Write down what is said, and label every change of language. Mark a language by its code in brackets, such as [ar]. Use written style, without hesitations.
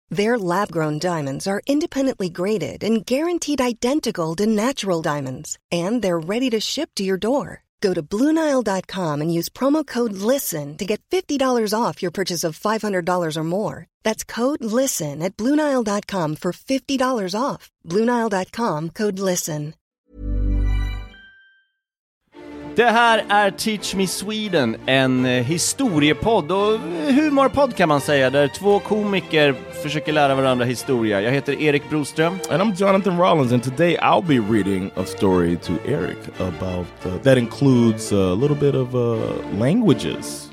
[en] Their lab-grown diamonds are independently graded and guaranteed identical to natural diamonds, and they're ready to ship to your door. Go to BlueNile.com and use promo code LISTEN to get $50 off your purchase of $500 or more. That's code LISTEN at BlueNile.com for $50 off. BlueNile.com, code LISTEN. [sv] Det här är Teach Me Sweden, en historiepodd och humorpodd kan man säga, där två komiker försöker lära varandra historia. Jag heter Erik Broström. [en] And I'm Jonathan Rollins, and today I'll be reading a story to Eric about that includes a little bit of languages.